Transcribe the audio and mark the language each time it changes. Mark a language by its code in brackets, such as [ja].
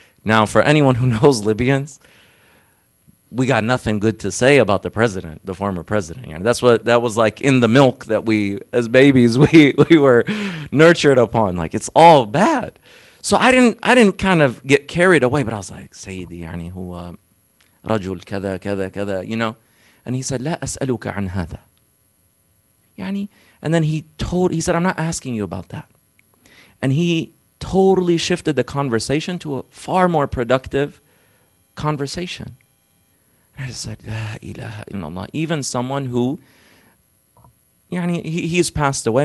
[en] Now, for anyone who knows Libyans, we got nothing good to say about the president, the former president. And that's what that was like in the milk that we, as babies, we were nurtured upon. Like, it's all bad. So I didn't kind of get carried away, but I was like, Sayyidi, yani [ar] هو رجل كذا كذا كذا, [en] you know? And he said, [ar] لا أسألك عن هذا. [en] يعني, and then he said, I'm not asking you about that. And he totally shifted the conversation to a far more productive conversation. And I just said, [ar] لا إله إلا الله. [en] Even someone who, يعني, he's passed away.